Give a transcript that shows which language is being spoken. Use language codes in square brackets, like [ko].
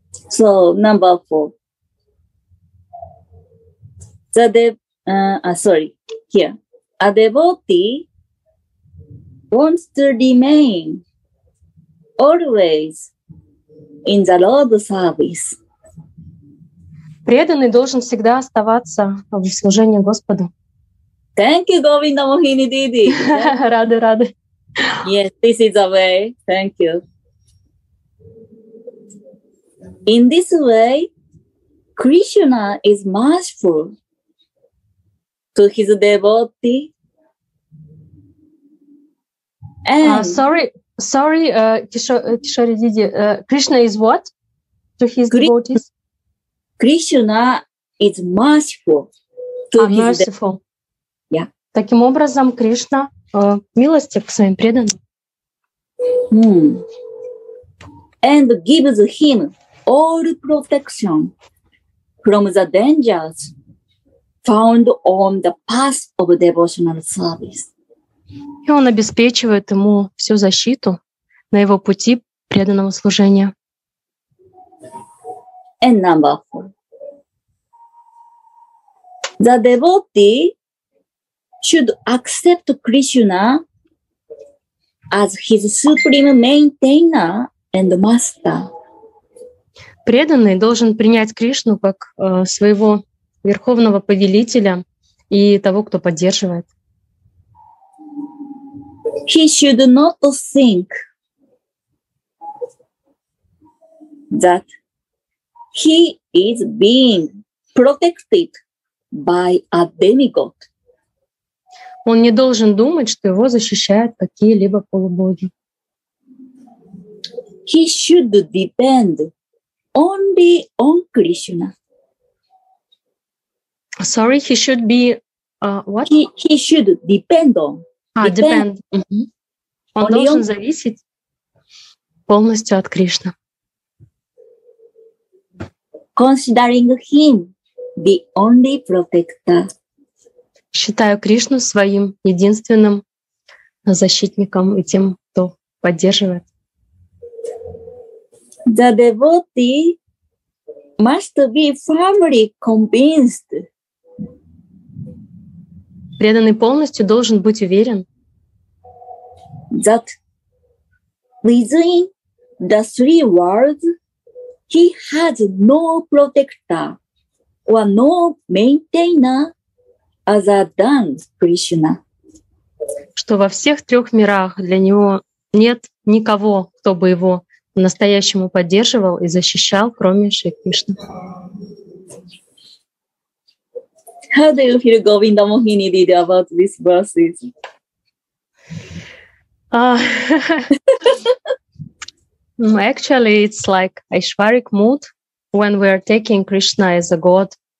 [en] So number four. A devotee wants to remain always in the Lord's service. [ru] Преданный должен всегда оставаться в служении Господу. [en] Thank you, Govinda Mohini Didi. [ru] Рады, рады. [en] Yes, this is the way. Thank you. In this way, Krishna is merciful to his devotee. Kishore Didi, Krishna is what to his devotees? Krishna is merciful to his merciful. Yeah. [ru] Таким образом, Кришна милостив к своим преданным. [en] And gives him all protection from the dangers found on the path of devotional service. [ru] И он обеспечивает ему всю защиту на его пути преданного служения. [en] And number four. The devotee should accept Krishna as his supreme maintainer and master. [ru] Преданный должен принять Кришну как своего верховного повелителя и того, кто поддерживает. [en] He should not think that he is being protected by a demigod. [ru] Он не должен думать, что его защищают какие-либо полубоги. [en] He should depend only on Krishna. Sorry, he should be what? He should depend on. Depend. Mm-hmm. [ru] Он должен зависеть полностью от Кришны. [en] Considering him the only protector. [ru] Считаю Кришну своим единственным защитником и тем, кто поддерживает. [en] The devotee must be firmly convinced. [ru] Преданный полностью должен быть уверен. [en] That within the three worlds he has no protector or no maintainer other than Krishna. [ru] Что во всех трех мирах для него нет никого, кто бы его по-настоящему поддерживал и защищал, кроме Шри Кришны. [en] How do you feel Govinda Mohini did about this verse? Actually, it's like Aishwaric mood when we are taking Krishna as a god.